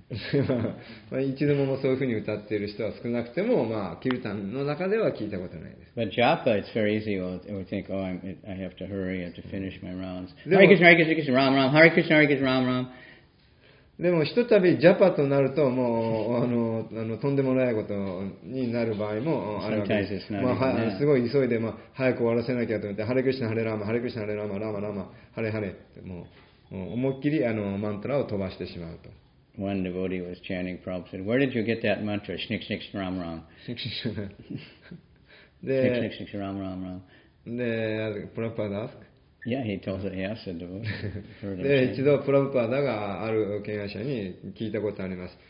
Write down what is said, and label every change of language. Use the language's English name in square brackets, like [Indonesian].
[Japanese] 一度もそういうふうに歌っている人は少なくても、まあ、キルタンの中では聞いたことないです。 [English] But Japa, it's very easy. We think, oh, I have to hurry, I have to finish my rounds. Hare Krishna, Hare Krishna, Krishna, Ram Ram, Hare Krishna, Hare Krishna, Ram Ram. [Japanese] でもひとたびジャパとなるともうとんでもないことになる場合もあるわけです。まあ、すごい急いで、まあ、早く終わらせなきゃと思って、ハレクリシナ、ハレラーマ、ハレクリシナ、ハレラーマ、ラーマ、ラーマ、ハレハレってもう思いっきりマントラを飛ばしてしまうと。 [English] One devotee was chanting Prabhupada said, Where did you get that mantra? Snik, snik, snik, ram, ram. Snik, snik, snik, snik, snik, ram, ram, ram. [Japanese] で、プラパダ [English] ask? Yeah, he tells it. He asked the devotee. [Japanese] で、一度プラブパダがある権威者に聞いたことあります。